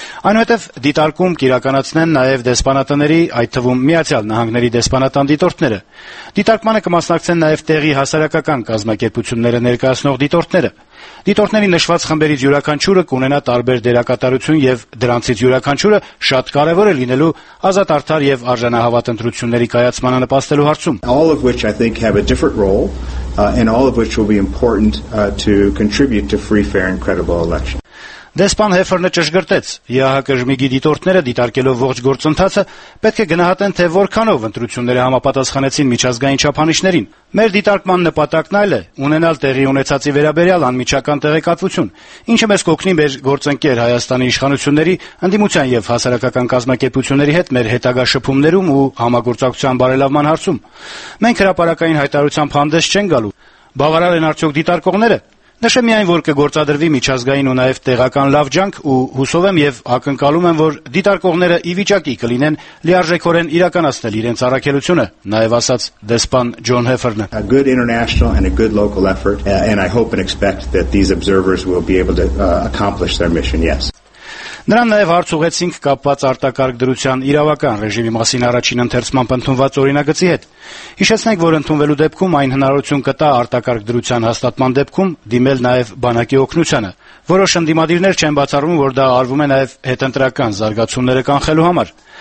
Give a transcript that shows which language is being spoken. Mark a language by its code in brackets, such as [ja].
[hy] Այնուհետև դիտարկում կիրականացնեն նաև դեսպանատների, այդ թվում Միացյալ Նահանգների դեսպանատան դիտորդները։ Դիտարկմանը կմասնակցեն նաև տեղի հասարակական կազմակերպությունները ներկայացնող դիտորդները։ Դիտորդների նշված խմբերից յուրաքանչյուրը կունենա տարբեր դերակատարություն և դրանցից յուրաքանչյուրը շատ կարևոր է լինելու ազատ արդար և արժանահավատ ընտրությունների կայացմանը նպաստելու հարցում։ [en] All of which I think have a different role, and all of which will be important to contribute to free, fair and credible elections. [hy] Դեսպան Հեֆերնը ճշգրտեց. ԵԱՀԿ ԺՄԻԿ-ի դիտորդները, դիտարկելով ողջ գործընթացը, պետք է գնահատեն, թե որքանով ընտրությունները համապատասխանեցին միջազգային չափանիշներին։ Մեր դիտարկման նպատակն այլ է՝ ունենալ տեղի ունեցածի վերաբերյալ անմիջական տեղեկատվություն, ինչը մեզ կօգնի մեր գործընկեր Հայաստանի իշխանությունների, ընդդիմության և հասարակական կազմակերպությունների հետ մեր հետագա շփումներում ու համագործակցության բարելավման հարցում։ Մենք հրապարակային հայտարարությամբ հանդես չենք գալու։ Բավարար են արդյոք դիտարկողները։ Նշեմ միայն, որ կգործադրվի միջազգային ու նաև տեղական լավ ջանք ու հուսով եմ և ակնկալում եմ, որ դիտարկողները ի վիճակի կլինեն լիարժեքորեն իրականացնել իրենց առաքելությունը, նաև ասաց դեսպան Ջոն Հեֆերնը. [en] A good international and a good local effort, and I hope and expect that these observers will be able to accomplish their mission, yes. [hy] Նրան նաև հարցուղեցինք կապված արտակարգ դրության իրավական ռեժիմի մասին առաջին ընթերցման ընդունված օրինագծի հետ։ Հիշեցնենք, որ ընդունվելու դեպքում այն հնարավորություն կտա արտակարգ դրության հաստատման դեպքում դիմել նաև բանակի օգնությանը։ Որոշ ընդդիմադիրներ չեն բացառում, որ դա արվում է նաև հետընտրական զարգացումները կանխելու համար։